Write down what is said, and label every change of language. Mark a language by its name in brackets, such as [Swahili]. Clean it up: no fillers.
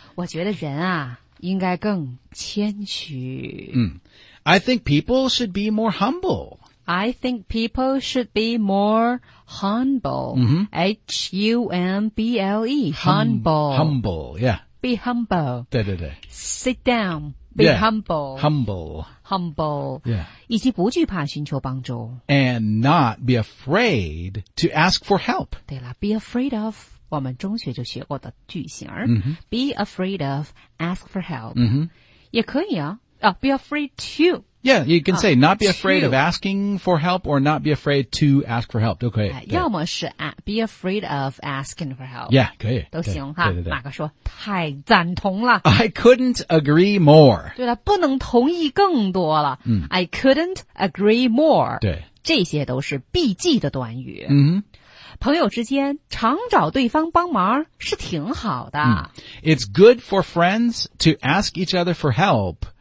[Chinese] 我觉得人啊，应该更谦虚。 [English] I think people should be more humble. I think people should be more humble.、H-U-M-B-L-E. Humble. Humble, yeah. Be humble. [Chinese] 对对对。 [English] Sit down. Be、 yeah. humble. Humble. Humble. Yeah. [Chinese] 以及不惧怕寻求帮助。 [English] And not be afraid to ask for help. [Chinese] 对了 , [English] be afraid of, [Chinese] 我们中学就学过的句型。 [English] Be afraid of, ask for help.、 [Chinese] 也可以啊。 [English] Oh, be afraid to. Yeah, you can say not be afraid of asking for help or not be afraid to ask for help. [Chinese] 都可以。要么是 [English] be afraid of asking for help. Yeah, [Chinese] 可以。都行哈。对对对。马哥说太赞同了。 [English] I couldn't agree more. [Chinese] 对了不能同意更多了。 [English] I couldn't agree more. [Chinese] 对。这些都是必记的短语。朋友之间常找对方帮忙是挺好的。 [English] It's good for friends to ask each other for help.